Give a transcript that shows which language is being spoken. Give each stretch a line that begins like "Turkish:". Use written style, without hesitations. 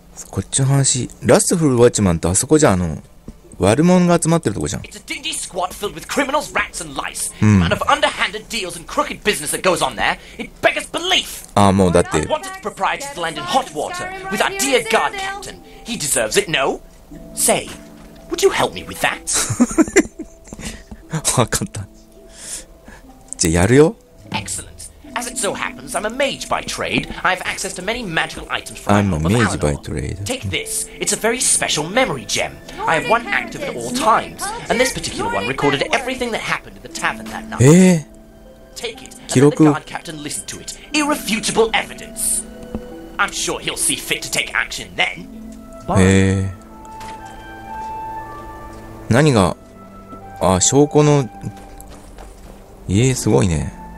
Japanese: こっちの話、ラストフルワッチマンってあそこじゃ、あの悪者が集まってるとこじゃん。
English: It's a dingy squat filled with criminals, rats, and lice. Man of underhanded deals and crooked business that goes on there. It beggars belief.
Japanese: Ah, もうだって。
English: I want its proprietors to land in hot water with our dear guard captain. He deserves it, no? Say, would you help me with that?
Japanese: わかった。じゃあやるよ。
English: Excellent. As it so happens, I'm a mage by trade. I have access to many magical items from the Halanor. I'm a mage by trade. Take this. It's a very special memory gem. I have one active at all times. And this particular one recorded everything that happened in the tavern that night. Take it, and let the guard captain listen to it. Irrefutable evidence. I'm sure he'll see fit to take action then. Bye.
Japanese: 何が、あ、証拠の、すごいね。